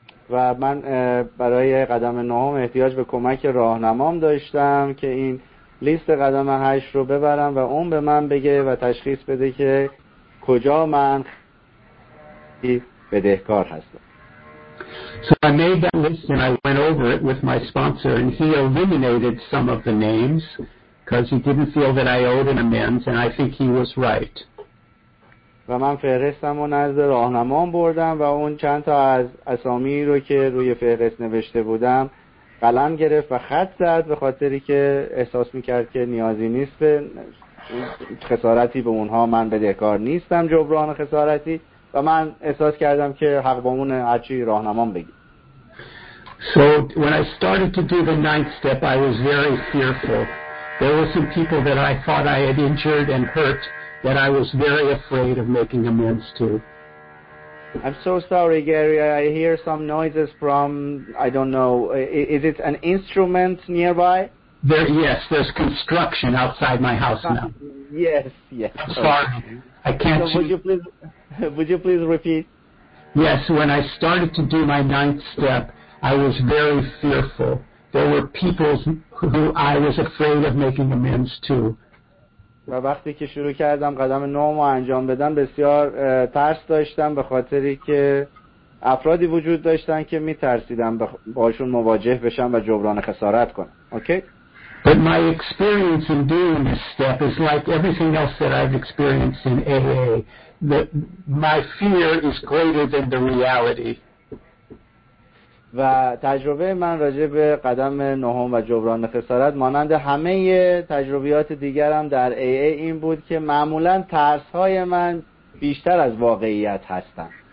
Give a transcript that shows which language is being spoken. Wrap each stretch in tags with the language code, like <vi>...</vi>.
<fa>و من برای قدم نهم احتیاج به کمک راهنمام داشتم که این لیست قدم هشت رو ببرم و اون به من بگه و تشخیص بده که کجا من بدهکار هستم.</fa> <en>So I made that list and I went over it with my sponsor and he eliminated some of the names because he didn't feel that I owed an amends and I think he was right.</en> <fa>و من فهرستم و نزد راهنمام بردم و اون چند تا از اسامی رو که روی فهرست نوشته بودم قلم گرفت و خط زد به خاطری که احساس میکرد که نیازی نیست به خسارتی به اونها من بدهکار نیستم جبران خسارتی، و من احساس کردم که حق با اون هرچی راهنمام بگیم.</fa> <en>So when I started to do the ninth step, I was very fearful. There were some people that I thought I had injured and hurt that I was very afraid of making amends to. I'm so sorry, Gary. I hear some noises from, I don't know, is it an instrument nearby? There, yes, there's construction outside my house now. Yes, yes. I'm sorry. I can't. So would you please repeat? Yes, when I started to do my ninth step, I was very fearful. There were people who I was afraid of making amends to.</en> <fa>و وقتی که شروع کردم قدم نهم انجام بدم بسیار ترس داشتم به خاطری که افرادی وجود داشتن که میترسیدم باشون مواجه بشم و جبران خسارت کنم.</fa> <en>Okay? But my experience in doing this step is like everything else that I've experienced in AA. My fear is greater than the reality.</en> <fa>و تجربه من راجع به قدم نهم و جبران خسارت مانند همه تجربیات دیگرم در AA این بود که معمولا ترس های من بیشتر از واقعیت هستن.</fa>